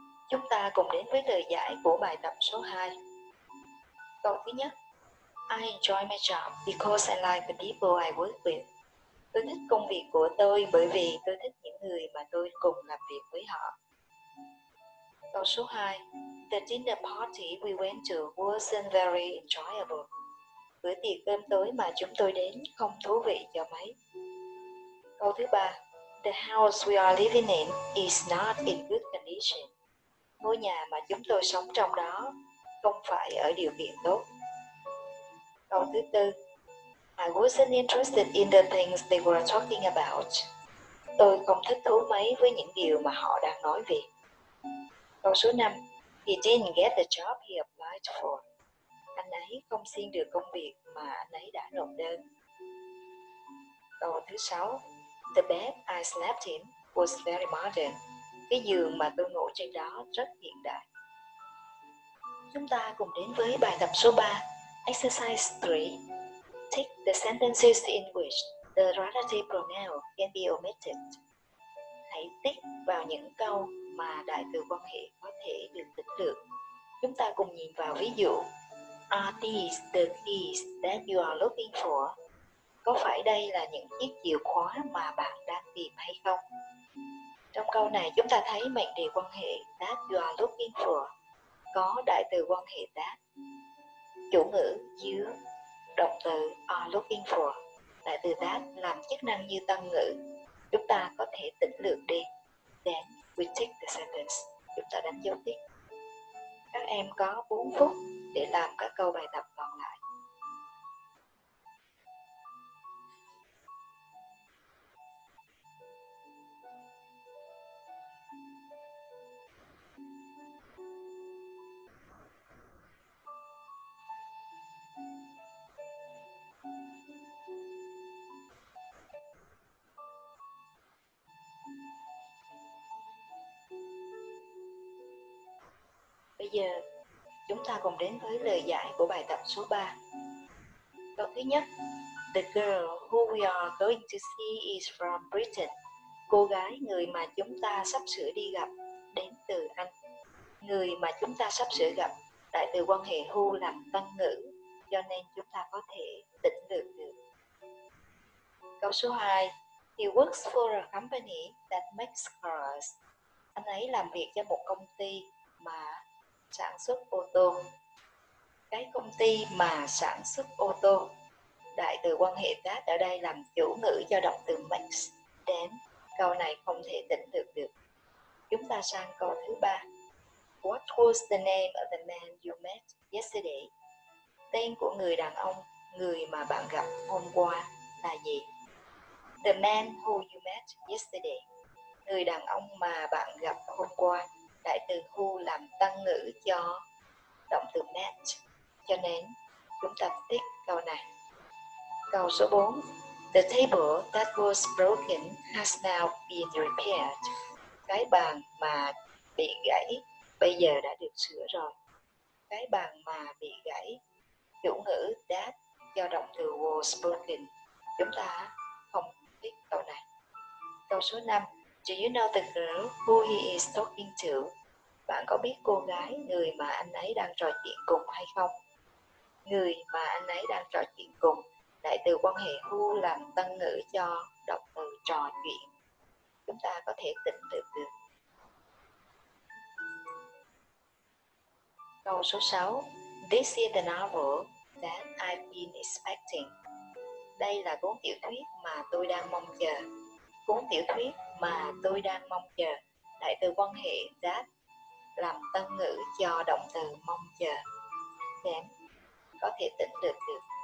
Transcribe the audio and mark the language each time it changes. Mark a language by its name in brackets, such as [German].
[Vietnamese] Chúng ta cùng đến với lời giải của bài tập số 2. Câu thứ nhất. [English] I enjoy my job because I like the people I work with. [Vietnamese] Tôi thích công việc của tôi bởi vì tôi thích những người mà tôi cùng làm việc với họ. Câu số 2. [English] The dinner party we went to wasn't very enjoyable. [Vietnamese] Bữa tiệc cơm tối mà chúng tôi đến không thú vị cho mấy. Câu thứ 3. [English] The house we are living in is not in good condition. [Vietnamese] Ngôi nhà mà chúng tôi sống trong đó không phải ở điều kiện tốt. Câu thứ 4. [English] I wasn't interested in the things they were talking about. [Vietnamese] Tôi không thích thú mấy với những điều mà họ đang nói về. Câu số 5. [English] He didn't get the job he applied for. [Vietnamese] Anh ấy không xin được công việc mà anh ấy đã nộp đơn. Câu thứ 6. [English] The bed I slept in was very modern. [Vietnamese] Cái giường mà tôi ngủ trên đó rất hiện đại. Chúng ta cùng đến với bài tập số 3, Exercise 3. [English] Take the sentences in which the relative pronoun can be omitted. [Vietnamese] Hãy tích vào những câu mà đại từ quan hệ có thể được tính được. Chúng ta cùng nhìn vào ví dụ. [English] Are these the keys that you are looking for? [Vietnamese] Có phải đây là những chiếc chìa khóa mà bạn đang tìm hay không? Trong câu này chúng ta thấy mệnh đề quan hệ [English] that you are looking for [Vietnamese] có đại từ quan hệ that, chủ ngữ you, động từ [English] are looking for. [Vietnamese] Đại từ that làm chức năng như tân ngữ. Chúng ta có thể tỉnh lược đi. [English] Then we take the sentence. [Vietnamese] Chúng ta đánh dấu tiếp. Các em có 4 phút để làm các câu bài tập còn lại. Bây giờ chúng ta cùng đến với lời giải của bài tập số 3. Câu thứ nhất, [English] the girl who we are going to see is from Britain. [Vietnamese] Cô gái người mà chúng ta sắp sửa đi gặp đến từ Anh. Người mà chúng ta sắp sửa gặp, đại từ quan hệ who làm tân ngữ, cho nên chúng ta có thể tỉnh lược được. Câu số 2, [English] he works for a company that makes cars. [Vietnamese] Anh ấy làm việc cho một công ty mà sản xuất ô tô. Cái công ty mà sản xuất ô tô, đại từ quan hệ that ở đây làm chủ ngữ cho động từ makes. Đến câu này không thể tỉnh lược được. Chúng ta sang câu thứ 3. [English] What was the name of the man you met yesterday? [Vietnamese] Tên của người đàn ông, người mà bạn gặp hôm qua là gì? [English] The man who you met yesterday. [Vietnamese] Người đàn ông mà bạn gặp hôm qua. Đại từ who làm tân ngữ cho động từ met. Cho nên chúng ta tiếp câu này. Câu số 4. [English] The table that was broken has now been repaired. [Vietnamese] Cái bàn mà bị gãy bây giờ đã được sửa rồi. Cái bàn mà bị gãy, chủ ngữ that do động từ was broken. Chúng ta không biết câu này. Câu số 5. [English] Do you know the girl who he is talking to? [Vietnamese] Bạn có biết cô gái người mà anh ấy đang trò chuyện cùng hay không? Người mà anh ấy đang trò chuyện cùng, đại từ quan hệ who làm tân ngữ cho động từ trò chuyện. Chúng ta có thể tỉnh lược được. Câu số 6. [English] This is the novel that I've been expecting. [Vietnamese] Đây là cuốn tiểu thuyết mà tôi đang mong chờ. Cuốn tiểu thuyết mà tôi đang mong chờ. Đại từ quan hệ that làm tân ngữ cho động từ mong chờ. Đến có thể tỉnh lược được.